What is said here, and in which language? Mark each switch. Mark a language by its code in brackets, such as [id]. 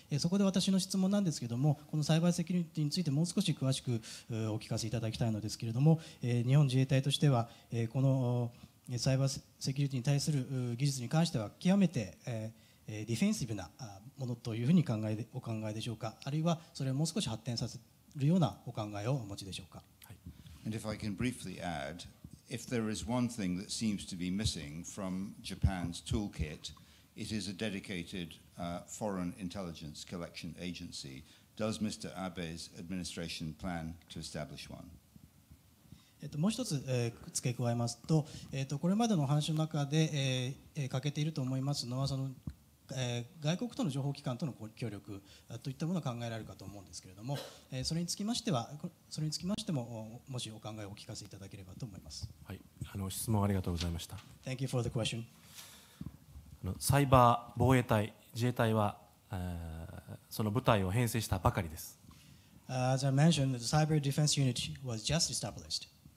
[ja] そこで私の質問なんですけれども、このサイバーセキュリティについてもう少し詳しくお聞かせいただきたいのですけれども、日本自衛隊としてはこのサイバーセキュリティに対する技術に関しては極めてディフェンシブなものというふうにお考えでしょうか、あるいはそれをもう少し発展させるようなお考えをお持ちでしょうか。 [en] And if I can briefly addIf there is one thing that seems to be missing from Japan's toolkit, it is a dedicated foreign intelligence collection agency. Does Mr. Abe's administration plan to establish one? [ja] もう一つ付け加えますと、これまでの話の中で欠けていると思いますのは、その外国との情報機関との協力といったものを考えられるかと思うんですけれども、それにつきましても、もしお考えをお聞かせいただければと思います。はい、質問ありがとうございました。 [en] Thank you for the question. [ja] サイバー防衛隊、自衛隊はその部隊を編成したばかりです。 [en] As I mentioned, the cyber defense unit was just established.